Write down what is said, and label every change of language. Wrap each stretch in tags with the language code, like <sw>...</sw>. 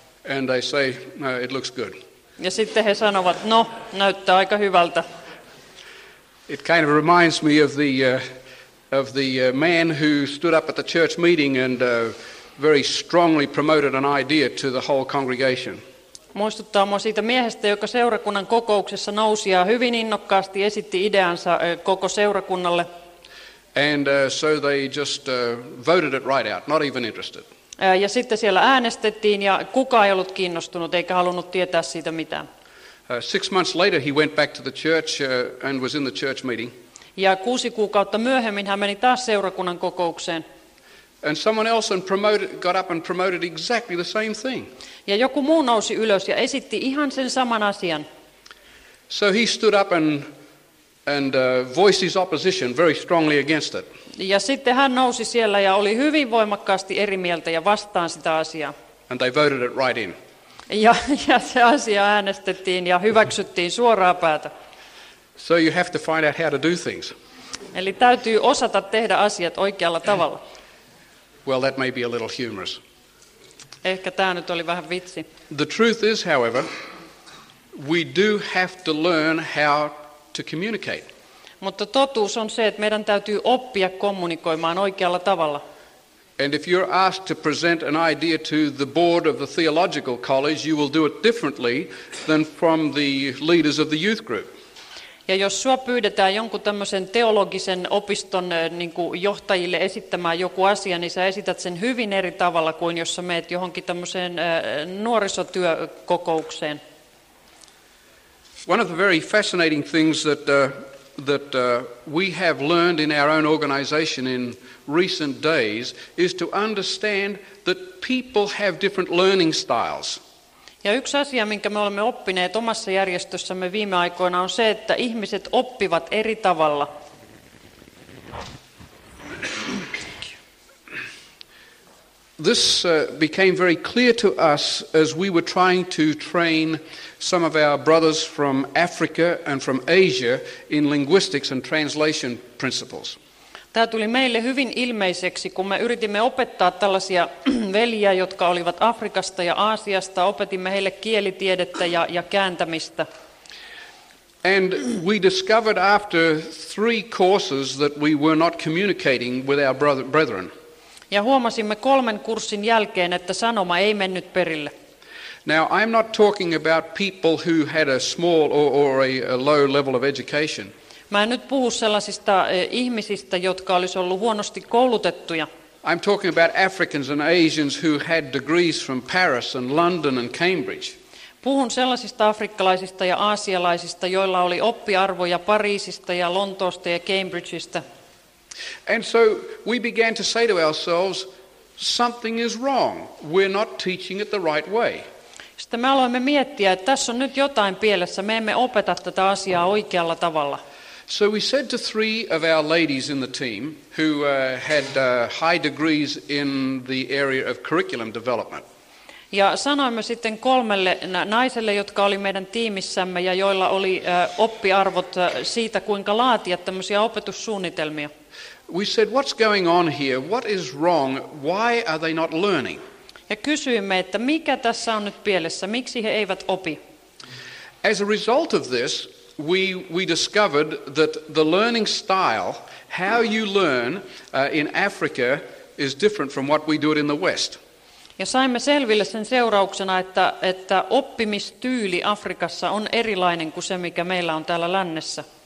<en>And they say, no, it looks good.</en> <fi>Ja sitten he sanovat, no, näyttää aika hyvältä.</fi> <en>It kind of reminds me of the man who stood up at the church meeting and very strongly promoted an idea to the whole congregation.</en> <fi>Muistuttaa mua siitä miehestä, joka seurakunnan kokouksessa nousi ja hyvin innokkaasti esitti ideansa koko seurakunnalle.</fi> <en>And so they just voted it right out, not even interested.</en> <fi>Ja sitten siellä äänestettiin ja kukaan ei ollut kiinnostunut eikä halunnut tietää siitä mitään.</fi> <en>6 months later he went back to the church and was in the church meeting.</en> <fi>Ja 6 kuukautta myöhemmin hän meni taas seurakunnan kokoukseen.</fi> <en>And someone else got up and promoted exactly the same thing.</en> <fi>Ja joku muu nousi ylös ja esitti ihan sen saman asian.</fi> <en>So he stood up and voiced his opposition very strongly against it.</en> <fi>Ja sitten hän nousi siellä ja oli hyvin voimakkaasti eri mieltä ja vastaan sitä asiaa.</fi> <en>And they voted it right in.</en> <fi>Ja se asia äänestettiin ja hyväksyttiin suoraan päätä.</fi> <en>So you have to find out how to do things.</en> <fi>Eli täytyy osata tehdä asiat oikealla tavalla.</fi> <en>Well, that may be a little humorous.</en> <fi>Ehkä tämä nyt oli vähän vitsi.</fi> <en>The truth is, however, we do have to learn how to communicate.</en> <fi>Mutta totuus on se, että meidän täytyy oppia kommunikoimaan oikealla tavalla.</fi> <en>And if you're asked to present an idea to the board of the theological college, you will do it differently than from the leaders of the youth group.</en> <fi>Ja jos sua pyydetään jonkun tämmöisen teologisen opiston niin kuin johtajille esittämään joku asia, niin sä esität sen hyvin eri tavalla kuin jos sä meet johonkin tämmöiseen nuorisotyökokoukseen.</fi> <en>One of the very fascinating things that we have learned in our own organization in recent days is to understand that people have different learning styles.</en> <fi>Ja yksi asia, minkä me olemme oppineet omassa järjestössämme viime aikoina, on se, että ihmiset oppivat eri tavalla.</fi> <en>This became very clear to us as we were trying to train some of our brothers from Africa and from Asia in linguistics and translation principles.</en> <fi>Tämä tuli meille hyvin ilmeiseksi, kun me yritimme opettaa tällaisia veljiä, jotka olivat Afrikasta ja Aasiasta. Opetimme heille kielitiedettä ja kääntämistä.</fi> <en>And we discovered after three courses that we were not communicating with our brethren.</en> <fi>Ja huomasimme kolmen kurssin jälkeen, että sanoma ei mennyt perille.</fi> <en>Now I'm not talking about people who had a small or a low level of education.</en> <fi>Mä en nyt puhu sellaisista ihmisistä, jotka olisi ollut huonosti koulutettuja.</fi> <en>I'm talking about Africans and Asians who had degrees from Paris and London and Cambridge.</en> <fi>Puhun sellaisista afrikkalaisista ja aasialaisista, joilla oli oppiarvoja Pariisista ja Lontoosta ja Cambridgeista.</fi> <en>And so we began to say to ourselves, something is wrong. We're not teaching it the right way.</en> <fi>Sitten me aloimme miettiä, että tässä on nyt jotain pielessä. Me emme opeta tätä asiaa oikealla tavalla.</fi> <en>So we said to three of our ladies in the team who had high degrees in the area of curriculum development.</en> <fi>Ja sanoimme sitten kolmelle naiselle, jotka oli meidän tiimissämme ja joilla oli oppiarvot siitä, kuinka laatia tämmöisiä opetussuunnitelmia.</fi> <en>We said, what's going on here? What is wrong? Why are they not learning?</en> <fi>Ja kysyimme, että mikä tässä on nyt pielessä? Miksi he eivät opi?</fi> <en>As a result of this, we discovered that the learning style, how you learn in Africa, is different from what we do it in the West.</en> <fi>Ja saimme selville sen seurauksena, että oppimistyyli Afrikassa on erilainen kuin se, mikä meillä on täällä lännessä.</fi>